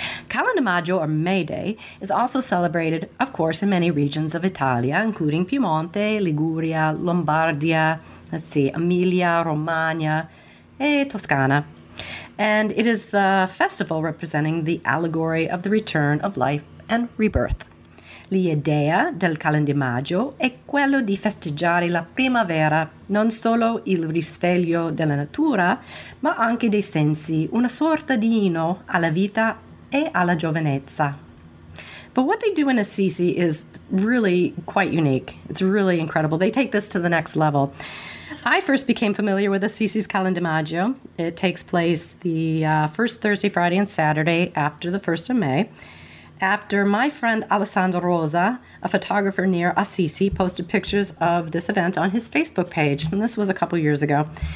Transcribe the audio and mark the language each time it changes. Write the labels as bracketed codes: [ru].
[en] Calen de Maggio, or May Day, is also celebrated, of course, in many regions of Italia, including Piemonte, Liguria, Lombardia, Emilia, Romagna, and Toscana. And it is the festival representing the allegory of the return of life and rebirth. [it] L'idea del Calen de Maggio è quello di festeggiare la primavera, non solo il risveglio della natura, ma anche dei sensi, una sorta di inno alla vita e alla giovinezza. [en] But what they do in Assisi is really quite unique. It's really incredible. They take this to the next level. I first became familiar with Assisi's Calen de Maggio. It takes place the first Thursday, Friday, and Saturday after the 1st of May. After my friend Alessandro Rosa, a photographer near Assisi, posted pictures of this event on his Facebook page, and this was a couple years ago.